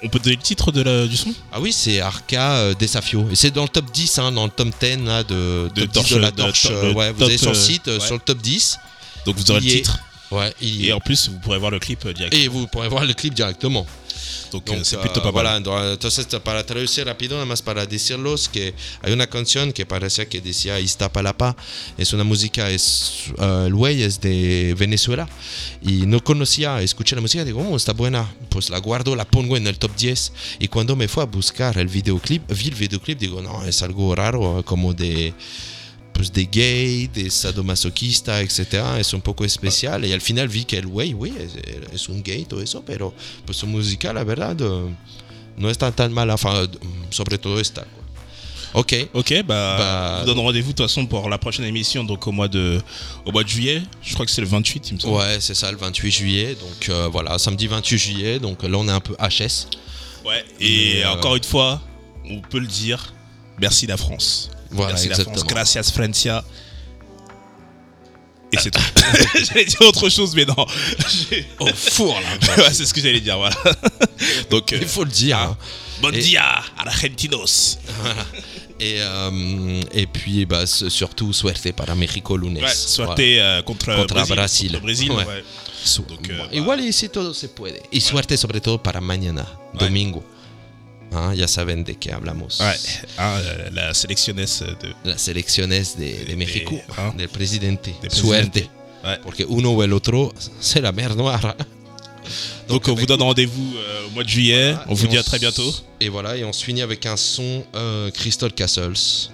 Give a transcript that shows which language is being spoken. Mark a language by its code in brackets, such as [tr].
[fr] On peut donner le titre de du son. Ah oui, c'est Arca Desafio. Et c'est dans le top 10, hein, dans le top 10 là, de top 10 de la torche. Ouais, vous allez sur le site, ouais. Sur le top 10. Donc vous aurez le titre. Ouais, et en plus, vous pourrez voir le clip directement. Et vous pourrez voir le clip directement. Donc c'est plutôt pas mal. [es] Voilà, entonces, para traducir rapidement, nada más para decirlos que hay una canción que parecía que decía Iztapalapa. Es una música, el güey es de Venezuela. Y no conocía, escuché la música, digo, oh, está buena. Pues la guardo, la pongo en el top 10. Y cuando me fui a buscar el videoclip, vi el videoclip, digo, no, es algo raro, como de. Pues [fr] des gays, des [es] sadomasoquistas, etc. Es un poco especial. Ah. [fr] Et [es] al final, vi que el güey, [fr] oui, [es] es un gay, todo eso, pero pues su música, la verdad, no está tan mal. Enfin, sobre todo esta. [fr] Quoi. [es] Ok. [fr] Ok, vous donne rendez-vous de toute façon pour la prochaine émission, donc au mois de juillet. Je crois que c'est le 28, il me semble. Ouais, c'est ça, le 28 juillet. Donc voilà, samedi 28 juillet. Donc là, on est un peu HS. Ouais, et encore une fois, on peut le dire, merci la France. Voilà, merci exactement. La France, [es] gracias Francia. [fr] Et c'est tout. J'allais dire autre chose, mais non. Au four là. Ouais, c'est ce que j'allais dire, voilà. Donc, il faut le dire. Hein. [es] Bon dia, argentinos. [fr] Et puis, bah, surtout, [es] suerte para México lunes. [fr] Ouais, [es] suerte [fr] voilà. contre Brésil. Contre Brésil, ouais. Ouais. [es] Igual, y si todo se puede. Y suerte, ouais. Sobre todo, para mañana, domingo. Ouais. Hein, ya saben de qué hablamos. [fr] Ouais. Ah, la sélectionneuse de. La sélectionneuse de México, hein, [es] del presidente. Suerte. Ouais. Porque uno o el otro, [fr] c'est la mer noire. Donc on vous donne rendez-vous au mois de juillet. Voilà, on vous dit à très bientôt. Et voilà, et on se finit avec un son Crystal Castles.